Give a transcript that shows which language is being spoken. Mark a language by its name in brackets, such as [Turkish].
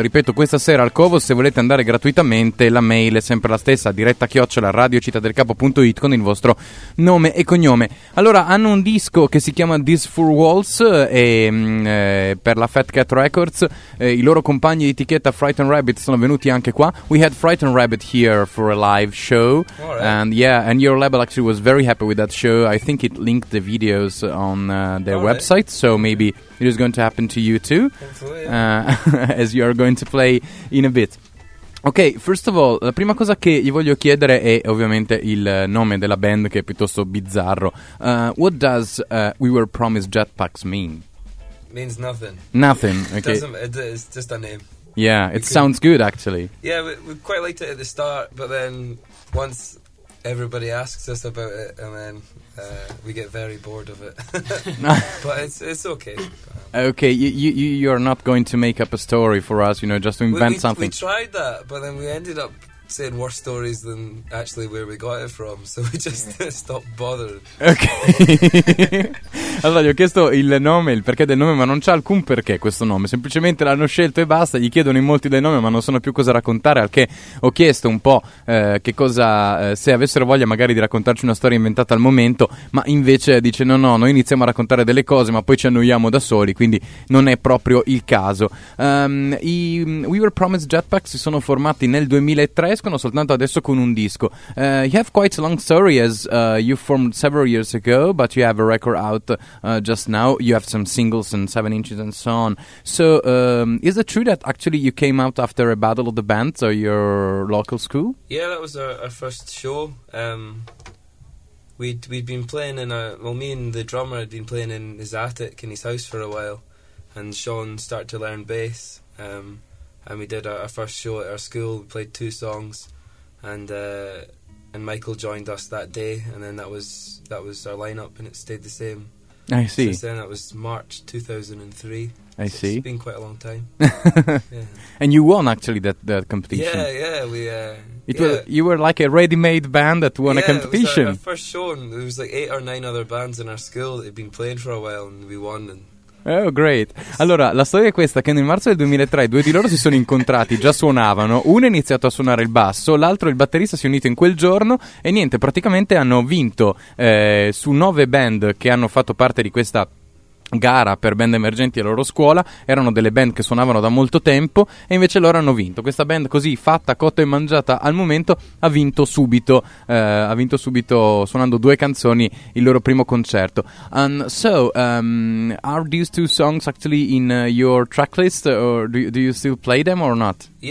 [Italian] Ripeto, questa sera al Covo. Se volete andare gratuitamente, la mail è sempre la stessa: diretta@radiocittadelcapo.it con il vostro nome e cognome. Allora, hanno un disco che si chiama These Four Walls per la Fat Cat Records. I loro compagni di etichetta Frightened Rabbit sono venuti anche qua. [English] We had Frightened Rabbit here for a live show. Right. And yeah, and your label actually was very happy with that show. I think it linked the videos on their All website, right. So maybe it is going to happen to you too. Hopefully. as you are going to play in a bit. [Italian] Ok, [English] first of all, [Italian] la prima cosa che gli voglio chiedere è ovviamente il nome della band, che è piuttosto bizzarro. [English] What does We Were Promised Jetpacks mean? Means nothing. Nothing, ok. It's just a name. Yeah, it sounds good actually. Yeah, we quite liked it at the start, but then once everybody asks us about it, and then we get very bored of it. But it's okay. Okay, you are not going to make up a story for us, you know, just to invent something. We tried that, but then we ended up saying worse stories than actually where we got it from, so we just stopped bothering. Ok. [Italian] Allora, gli ho chiesto il nome, il perché del nome, ma non c'è alcun perché questo nome. Semplicemente l'hanno scelto e basta. Gli chiedono in molti dei nomi, ma non sanno più cosa raccontare. Al che ho chiesto un po' che cosa, se avessero voglia magari di raccontarci una storia inventata al momento. Ma invece dice no, noi iniziamo a raccontare delle cose, ma poi ci annoiamo da soli, quindi non è proprio il caso. I We Were Promised Jetpacks si sono formati nel 2003, escono soltanto adesso con un disco. [English] You have quite a long story, as you formed several years ago, but you have a record out just now. You have some singles and 7 inches and so on. So is it true that actually you came out after a battle of the bands or your local school? Yeah, that was our first show. We'd been playing in me and the drummer had been playing in his attic in his house for a while, and Sean started to learn bass. And we did our first show at our school. We played two songs, and Michael joined us that day, and then that was our lineup, and it stayed the same. I see. Since then, that was March 2003. I so see. It's been quite a long time. And you won actually that competition. You were like a ready-made band that won a competition. It was our first show, and there was like 8 or 9 other bands in our school that had been playing for a while, and we won. And oh, great. [Italian] Allora, la storia è questa: che nel marzo del 2003 due di loro si sono incontrati, già suonavano. Uno ha iniziato a suonare il basso, l'altro il batterista, si è unito in quel giorno. E niente, praticamente hanno vinto su 9 band che hanno fatto parte di questa gara per band emergenti alla loro scuola. Erano delle band che suonavano da molto tempo, e invece loro hanno vinto. Questa band così fatta, cotta e mangiata al momento, ha vinto subito suonando due canzoni il loro primo concerto. [English] And so are these two songs actually in your tracklist, or do you still play them or not?